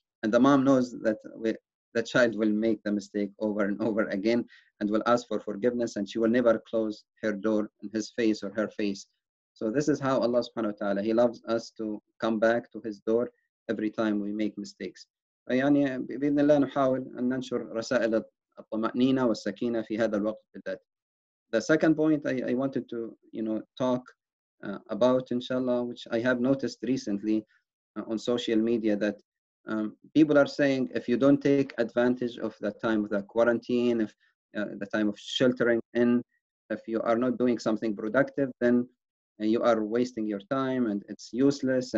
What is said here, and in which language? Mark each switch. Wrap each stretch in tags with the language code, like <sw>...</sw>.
<en>And the mom knows that the child will make the mistake over and over again and will ask for forgiveness, and she will never close her door in his face or her face. So this is how Allah subhanahu wa ta'ala, he loves us to come back to his door every time we make mistakes.</en> <ar>يعني بإذن الله نحاول أن ننشر رسائل الطمأنينة والسكينة في هذا الوقت بالذات.</ar> <en>The second point I wanted to, you know, talk about inshallah, which I have noticed recently on social media, that people are saying, if you don't take advantage of the time of the quarantine, if the time of sheltering in, if you are not doing something productive, then you are wasting your time and it's useless.</en>